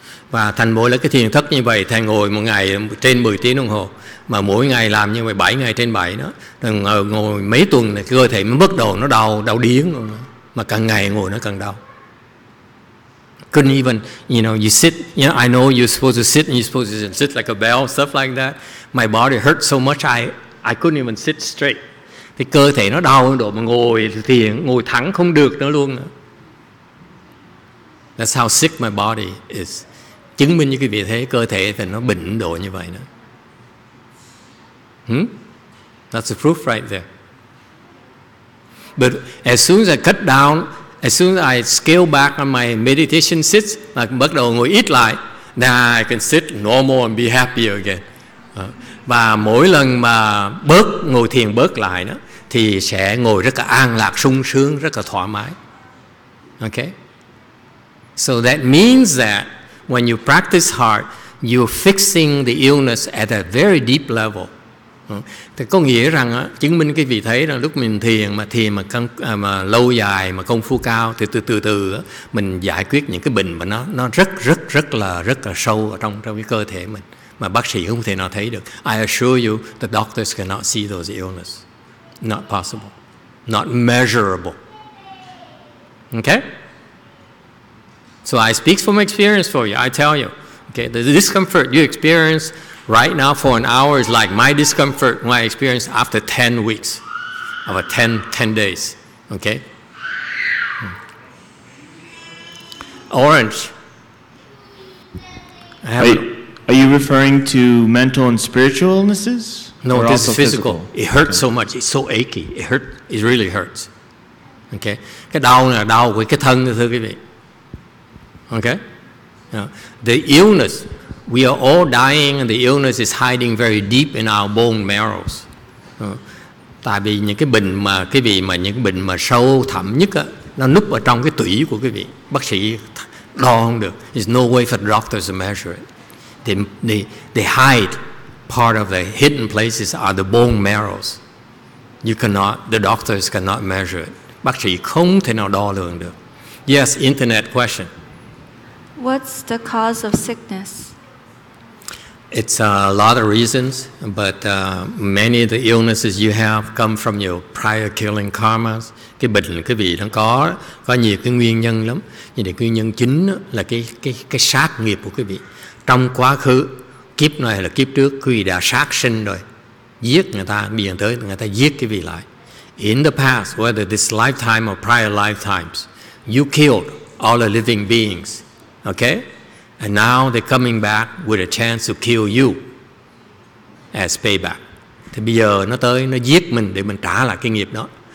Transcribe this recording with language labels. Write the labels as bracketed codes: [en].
[vi] Và thành mỗi lần cái thiền thất như vậy, thầy ngồi một ngày trên 10 tiếng đồng hồ, mà mỗi ngày làm như vậy 7 ngày trên 7 đó, ngồi mấy tuần này cơ thể mới bắt đầu nó đau, đau điếng, mà càng ngày ngồi nó càng đau. [en] Couldn't even, you know, you sit, you know, I know you're supposed to sit and you're supposed to sit like a bell, stuff like that. My body hurt so much, I couldn't even sit straight. [vi] Thì cơ thể nó đau đến độ mà ngồi thiền, ngồi thẳng không được nữa luôn. [en] That's how sick my body is. [vi] Chứng minh như cái vị thế cơ thể thì nó bệnh độ như vậy đó. [en] That's the proof right there. But as soon as I cut down, as soon as I scale back on my meditation sits, like [vi] bắt đầu ngồi ít lại, [en] now I can sit normal and be happier again. [vi] Và mỗi lần mà bớt ngồi thiền bớt lại đó, thì sẽ ngồi rất là an lạc, sung sướng, rất là thoải mái. [en] Okay? So that means that when you practice hard, you're fixing the illness at a very deep level. Thì có nghĩa rằng chứng minh cái vị thế là lúc mình thiền mà, căng, mà lâu dài mà công phu cao thì từ mình giải quyết những cái bệnh mà nó rất là sâu ở trong cái cơ thể mình mà bác sĩ không thể nào thấy được. I assure you the doctors cannot see those illness, not possible, not measurable. Okay, so I speak from experience for you. I tell you, okay, the discomfort you experience right now for an hour is like my discomfort, my experience after 10 weeks, of a 10 days, okay? Orange. Are you referring to mental and spiritual illnesses? No, this is physical. It hurts so much. It's so achy. It hurts. It really hurts. Okay? [vi] Cái đau này là đau của cái thân, thưa quý vị. [en] Okay? Yeah. The illness. We are all dying and the illness is hiding very deep in our bone marrows. [vi] Tại vì những cái bệnh mà cái vị mà những cái bệnh mà sâu thẳm nhất á, nó núp ở trong cái tủy của cái vị. Bác sĩ đo không được. [en] There's no way for doctors to measure it. They hide part of the hidden places are the bone marrows. You cannot, the doctors cannot measure it. [vi] Bác sĩ không thể nào đo lường được. [en] Yes, internet question. What's the cause of sickness? It's a lot of reasons, but many of the illnesses you have come from your prior killing karmas. [vi] Cái bệnh cái vị nó có nhiều cái nguyên nhân lắm. Nhưng cái nguyên nhân chính là cái sát nghiệp của cái vị. Trong quá khứ, kiếp này là kiếp trước, quý vị đã sát sinh rồi. Giết người ta, bây giờ tới người ta giết cái vị lại. [en] In the past, whether this lifetime or prior lifetimes, you killed all the living beings. Okay? And now they're coming back with a chance to kill you as payback. [vi] Thì bây giờ nó tới, nó giết mình để mình trả lại cái nghiệp đó.